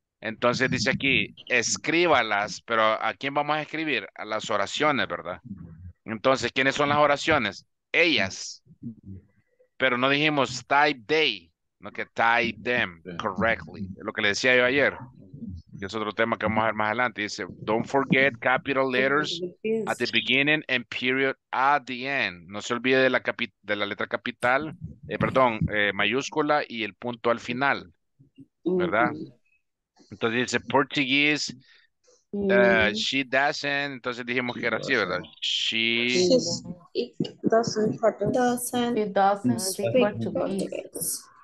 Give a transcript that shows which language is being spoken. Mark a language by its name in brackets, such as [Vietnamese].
[Spanish] Entonces dice aquí, escríbalas, pero ¿a quién vamos a escribir? A las oraciones, ¿verdad? Entonces, ¿quiénes son las oraciones? Ellas. Pero no dijimos type they, no que [English] type them correctly. [Spanish] Es lo que le decía yo ayer. Que es otro tema que vamos a ver más adelante. [English] Dice, don't forget capital letters at the beginning and period at the end. [Spanish] No se olvide de la letra capital, mayúscula y el punto al final. ¿Verdad? Entonces dice, [English] Portuguese, she doesn't. [Spanish] Entonces dijimos que era así, ¿verdad? [English] She doesn't speak Portuguese.